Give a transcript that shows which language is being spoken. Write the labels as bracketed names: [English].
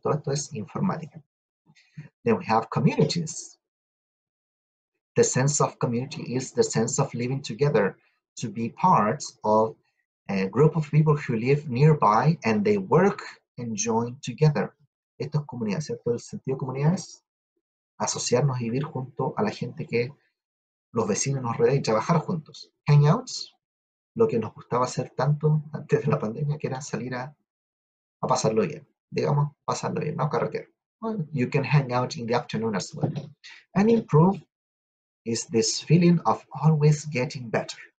[Spanish] Todo esto es informática. [English] Then we have communities. The sense of community is the sense of living together, to be part of a group of people who live nearby and they work and join together. [Spanish] Esto es comunidad, ¿cierto? El sentido de comunidad es asociarnos y vivir junto a la gente que los vecinos nos rodean y trabajar juntos. Hangouts. Lo que nos gustaba hacer tanto antes de la pandemia, que era salir a pasarlo bien. Digamos, pasarlo bien, no carretera. [English] Well, you can hang out in the afternoon as well. And improve is this feeling of always getting better.